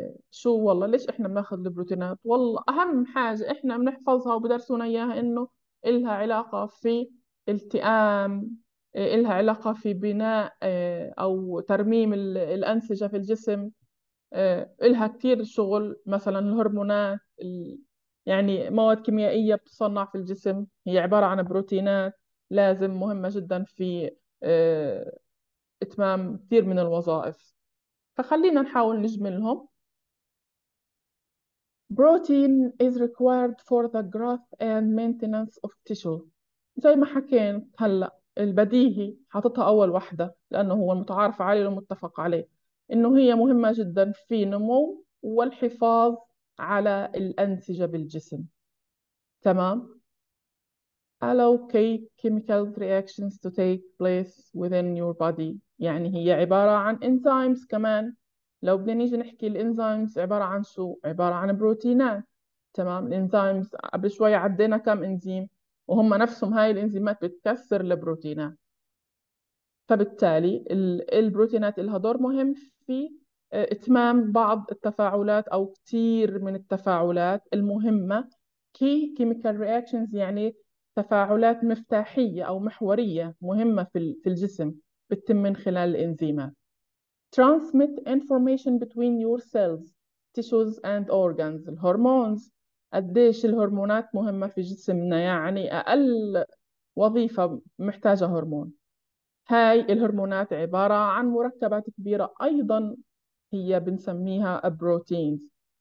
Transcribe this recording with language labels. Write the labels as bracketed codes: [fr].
[ar] شو والله ليش احنا بناخذ البروتينات؟ والله أهم حاجة احنا بنحفظها وبدرسونا إياها إنه إلها علاقة في التئام، إلها علاقة في بناء أو ترميم الأنسجة في الجسم، إلها كثير شغل. مثلا الهرمونات يعني مواد كيميائية بتصنع في الجسم، هي عبارة عن بروتينات لازم مهمة جدا في إتمام كثير من الوظائف. فخلينا نحاول نجملهم. [en] Protein is required for the growth and maintenance of tissue. [ar] زي ما حكينا هلأ البديهي حاططها أول واحدة لأنه هو المتعارف عليه والمتفق عليه إنه هي مهمة جدا في نمو والحفاظ على الأنسجة بالجسم. تمام. [en] Allow key chemical reactions to take place within your body. [ar] يعني هي عبارة عن enzymes كمان. لو بدنا نيجي نحكي الانزيمز عبارة عن شو؟ عبارة عن بروتينات. تمام. الانزيمز قبل شوي عدينا كم انزيم، وهم نفسهم هاي الانزيمات بتكسر البروتينات، فبالتالي البروتينات لها دور مهم في اتمام بعض التفاعلات او كتير من التفاعلات المهمة. كي كيميكال رياكشنز يعني تفاعلات مفتاحية او محورية مهمة في الجسم بتتم من خلال الانزيمات. [en] Transmit information between your cells, tissues and organs. [ar] الهرمونز قديش الهرمونات مهمة في جسمنا، يعني أقل وظيفة محتاجة هرمون. هاي الهرمونات عبارة عن مركبات كبيرة أيضا هي بنسميها بروتينز.